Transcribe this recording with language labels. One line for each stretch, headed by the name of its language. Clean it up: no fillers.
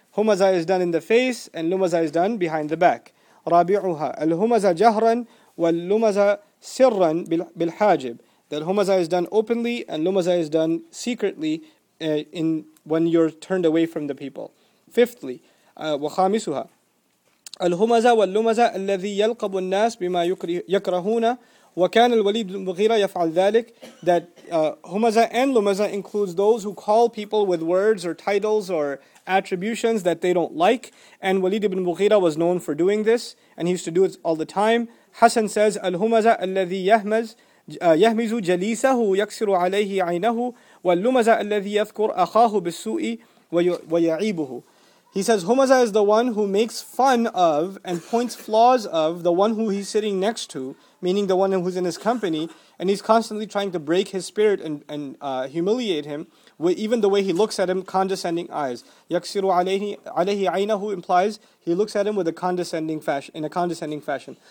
English: Humazah is done in the face, and Lumazah is done behind the back.
Arabic: رابعها الهمزه جهرا واللمزه سرا بالحاجب.
English: That Humazah is done openly and Lumazah is done secretly in when you're turned away from the people. Fifthly,
Arabic: وخامسها الهمزه واللمزه الذي يلقب الناس بما يكرهون وكان الوليد المغيرة يفعل ذلك.
English: That Humazah and Lumazah includes those who call people with words or titles or attributions that they don't like, and Walid ibn Mughira was known for doing this, and he used to do it all the time. Hassan says,
Arabic: الهمزة الذي يهمز جليسه يكسر عليه عينه واللمزة الذي يذكر أخاه بالسوء ويعيبه.
English: He says, Humazah is the one who makes fun of and points flaws of the one who he's sitting next to, meaning the one who's in his company, and he's constantly trying to break his spirit and humiliate him, with even the way he looks at him, condescending eyes.
Arabic: يَكْسِرُ عَلَيْهِ عَيْنَهُ
English: implies he looks at him with a condescending fashion, in a condescending fashion.